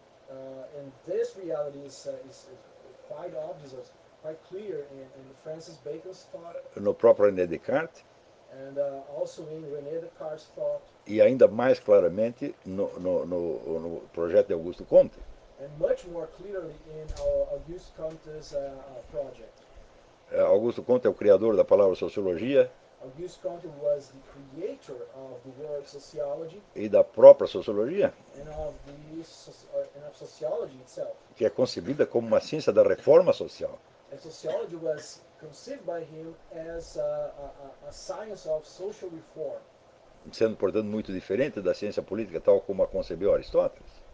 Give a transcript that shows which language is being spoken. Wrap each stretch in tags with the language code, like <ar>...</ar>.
<en>And this reality is quite obvious, quite clear in Francis Bacon's thought.</en> <pt>No próprio René Descartes.</pt> <en>And also in René Descartes' thought.</en> <pt>E ainda mais claramente no projeto de Auguste Comte.</pt> <en>And much more clearly in Auguste Comte's project.</en> <pt>Auguste Comte é o criador da palavra sociologia.</pt> <en>Auguste Comte was the creator of the word sociology.</en> <pt>E da própria sociologia.</pt> <en>And of the and of sociology itself.</en> <pt>Que é concebida como uma ciência da reforma social.</pt> <en>And sociology was conceived by him as a science of social reform.</en> <pt>Sendo, portanto, muito diferente da ciência política tal como a concebeu Aristóteles.</pt>